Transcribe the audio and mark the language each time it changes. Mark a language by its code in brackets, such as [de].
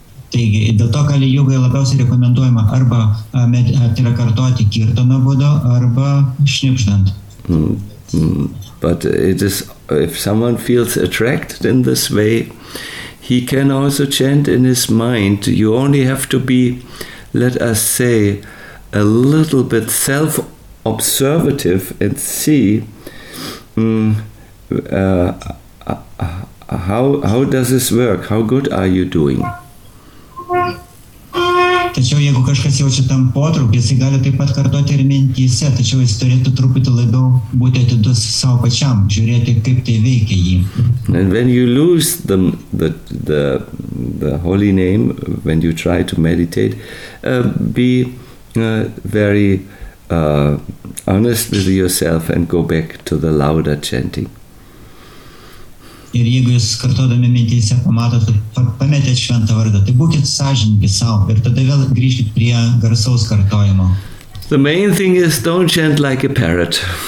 [lt] Taigi, dėl to Kali Yuga labiausiai rekomenduojama arba kartoti Kirtano būdo arba šnipždant. [en] But it is, if someone feels attracted in this way, he can also chant in his mind. You only have to be, let us say, a little bit self-observative and see how does this work? How good are you doing? [lt] Tačiau jeigu kažkas jaučia tam potraukį, jis gali taip pat kartuoti ir mintyse, tačiau jis turėtų truputį labiau būti atidus savo pačiam, žiūrėti, kaip tai veikia jį. [en] And when you lose the holy name, when you try to meditate, be very honest with yourself and go back to the louder chanting. [lt] Ir jeigu jūs kartuodami mintyse pamatote, pametėt šventą vardą, tai būkit sąžininkai savo ir tada vėl grįžkit prie garsaus kartojimo. [en] The main thing is don't chant like a parrot.